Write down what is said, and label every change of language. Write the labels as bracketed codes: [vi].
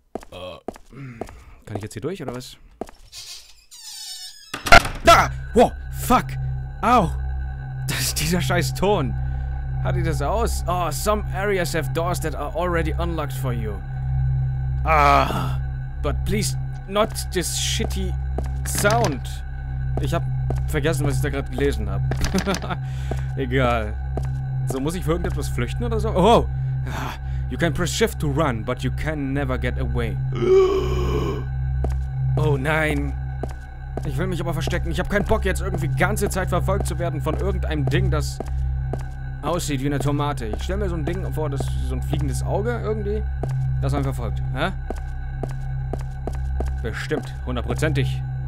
[de] Kann ich jetzt hier durch oder was? Da! Wow! Fuck! Au! Das ist dieser scheiß Ton! Hat die das aus? [en] Oh, some areas have doors that are already unlocked for you. Ah! But please. Not this shitty sound. [de] Ich hab vergessen, was ich da gerade gelesen habe. Egal. So, muss ich für irgendetwas flüchten oder so? Oh! [en] You can press shift to run, but you can never get away. [de] Oh nein. Ich will mich aber verstecken. Ich hab keinen Bock, jetzt irgendwie ganze Zeit verfolgt zu werden von irgendeinem Ding, das aussieht wie eine Tomate. Ich stell mir so ein Ding vor, das ist so ein fliegendes Auge irgendwie, das man verfolgt. Hä? Bestimmt, hundertprozentig.